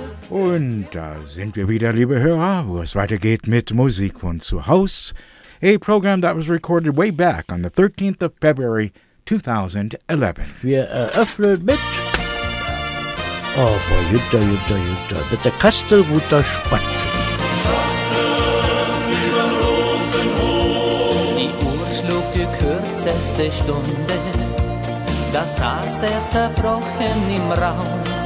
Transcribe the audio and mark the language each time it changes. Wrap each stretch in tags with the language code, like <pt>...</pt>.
<de>Und da sind wir wieder, liebe Hörer, wo es weitergeht mit Musik von zu Haus.</de> <en>A program that was recorded way back on the 13th of February, 2011.</en> <de>Wir eröffnen mit Aber jutta, mit der Kastelruther Spatze. Schatten über Rosenhof. Die Uhr schlug die kürzeste Stunde, da saß er zerbrochen im Raum.</de>